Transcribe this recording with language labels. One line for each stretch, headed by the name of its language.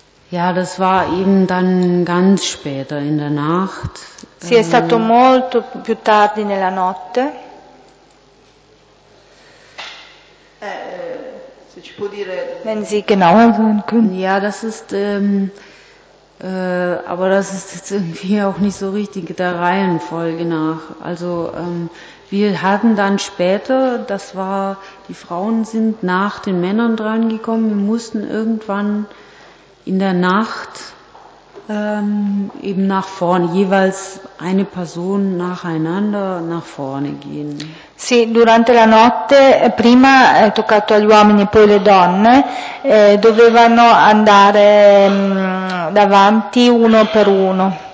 German: Ja, das war eben dann ganz später in der Nacht.
Italian: Sì, è stato molto più tardi nella notte. Se ci può dire.
German: Wenn Sie genauer sein können. Ja, das ist, aber das ist jetzt irgendwie auch nicht so richtig der Reihenfolge nach. Also, wir hatten dann später, das war, die Frauen sind nach den Männern drangekommen, wir mussten irgendwann in der Nacht eben nach vorne, jeweils eine Person nacheinander nach vorne gehen.
Italian: Sì, durante la notte, prima è toccato agli uomini e poi le donne, dovevano andare davanti uno per uno.